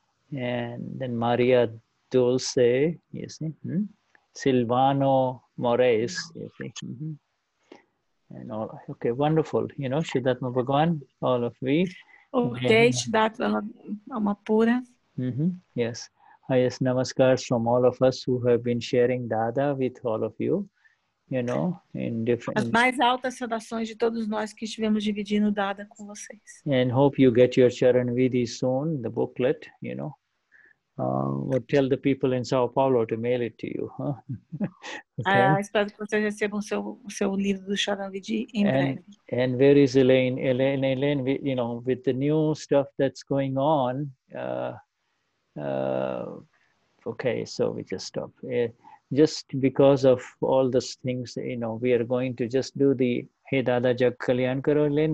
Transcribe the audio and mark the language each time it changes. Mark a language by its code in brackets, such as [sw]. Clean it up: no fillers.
[en] And then Maria Dulce, you see, Silvano Moraes, you see. And all, okay, wonderful. You know, Siddhartha Bhagwan, all of we. Okay, Shidatva, Alma Pura. Yes. Namaskars from all of us who have been sharing Dada with all of you, you know, in different... [pt] As mais altas saudações de todos nós que estivemos dividindo Dada com vocês. [en] And hope you get your Charanvidhi soon, the booklet, you know. We'll tell the people in São Paulo to mail it to you. Okay. [pt] Espero que vocês recebam o seu livro do Charanvidhi em breve. [en] And where is Elaine? Elaine, you know, with the new stuff that's going on. Okay, so we just stop. Just because of all those things, you know, we are going to just do the Hey Dada Jag Kalyan Karo, Elaine.